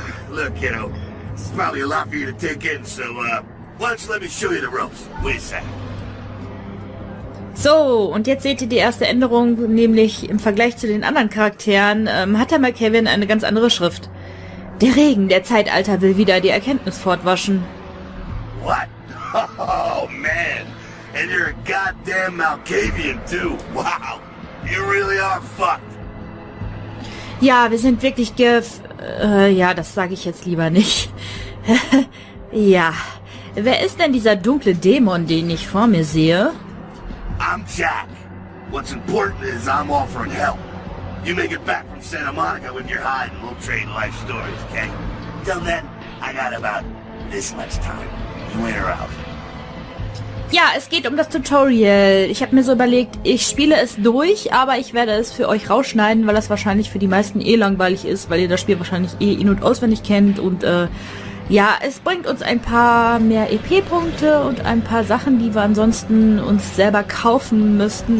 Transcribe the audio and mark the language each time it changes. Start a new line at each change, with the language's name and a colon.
English: Look, kiddo, it's probably a lot for you to take in, so why don't you let me show you the ropes? Wait a sec.
German: So, und jetzt seht ihr die erste Änderung, nämlich im Vergleich zu den anderen Charakteren hat der Malkavian eine ganz andere Schrift. Der Regen der Zeitalter will wieder die Erkenntnis fortwaschen.
English: What? Oh man, and you're a goddamn Malkavian too. Wow. You really are fucked.
German: Ja, wir sind wirklich ja, das sage ich jetzt lieber nicht. Ja, wer ist denn dieser dunkle Dämon, den ich vor mir sehe?
English: I'm Jack. What's important is I'm offering help. You make it back from Santa Monica when you're high and we'll trade life stories, okay? Till then, I got about this much time. You wear out.
German: Ja, es geht um das Tutorial. Ich habe mir so überlegt, ich spiele es durch, aber ich werde es für euch rausschneiden, weil das wahrscheinlich für die meisten eh langweilig ist, weil ihr das Spiel wahrscheinlich eh in- und auswendig kennt. Und ja, es bringt uns ein paar mehr EP-Punkte und ein paar Sachen, die wir ansonsten uns selber kaufen müssten.